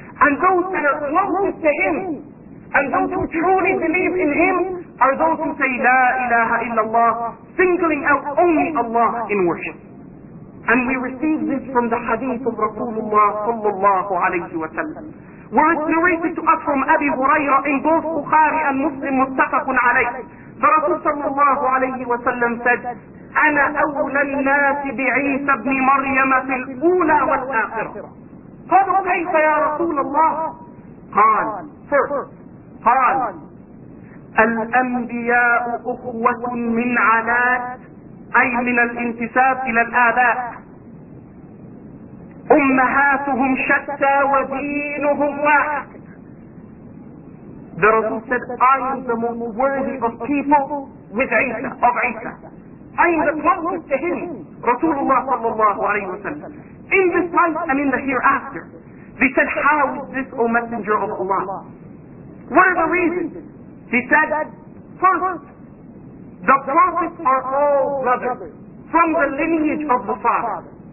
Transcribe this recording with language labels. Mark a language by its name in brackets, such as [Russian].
[English] And those that are closest to him, and those who truly believe in him, are those who say, لا إله إلا الله, singling out only Allah in worship. And we receive this from the hadith of Rasulullah sallallahu alayhi wa sallam, where it's narrated to us from Abi Huraira in both Bukhari and Muslim, muttafaqun alayhi. The Rasul sallallahu alayhi wa sallam said, [Arabic] أَنَا أَوْلَى النَّاسِ بِعِيسَى بْنِ مَرْيَمَ فِي الْأُولَى وَالْآخِرَةِ. قَالُوا كَيْفَ يَا رَسُولَ اللَّهِ؟ قال, first, قال, الْأَنْبِيَاءُ أُخْوَةٌ مِنْ عَلَاتِ, أي من الانتساب إلى الآباء. أمهاتهم شتى ودينهم واحد. [English] The Rasul said, I am the most worthy of people with Isa, of Isa. I am the closest to him, Rasulullah sallallahu alayhi wa sallam, in this life and in the hereafter. He said, how is this, O Messenger of Allah? What are the reasons? He said, first, the prophets are all brothers from the lineage of the father.